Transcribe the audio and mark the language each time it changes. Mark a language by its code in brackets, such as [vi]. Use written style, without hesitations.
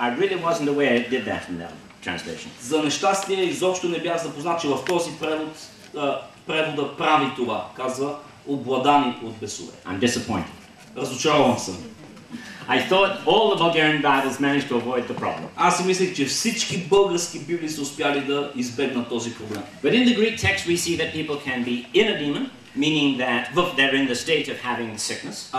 [en] I really wasn't aware it did that in that translation. [bg] За нещастие, изобщо не бях запознат, че в този превод превода прави това. Казва, обладани от бесове. [en] I'm disappointed. [bg] Разочарован съм. [en] I thought all the Bulgarian Bibles managed to avoid the problem. [bg] Аз си мислих, че всички български библии са успяли да избегнат този проблем. [en] But in the Greek text we see that people can be in a demon, meaning that they're in the state of having sickness.